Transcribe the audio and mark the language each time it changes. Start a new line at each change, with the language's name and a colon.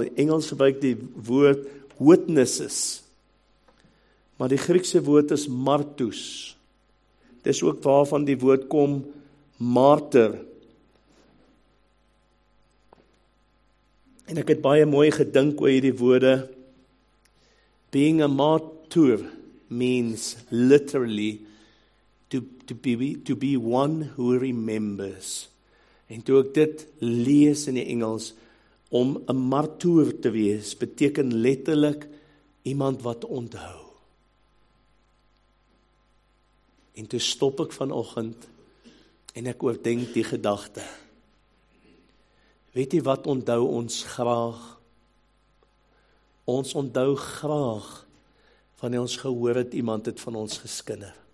Afrikaans: In Engels gebruik die woord witnesses, maar die Griekse woord is martus. Dis ook waarvan die woord kom, martyr. En ek het baie mooi gedink oor hierdie woorde.
English: Being a martyr means literally to be one who remembers.
Afrikaans: En toe ek dit lees in die Engels, om 'n martoer te wees, beteken letterlik iemand wat onthou. En toe stop ek vanoggend en ek oordenk die gedagte. Weet jy wat onthou ons graag? Ons onthou graag wanneer ons gehoor het iemand het van ons geskinder.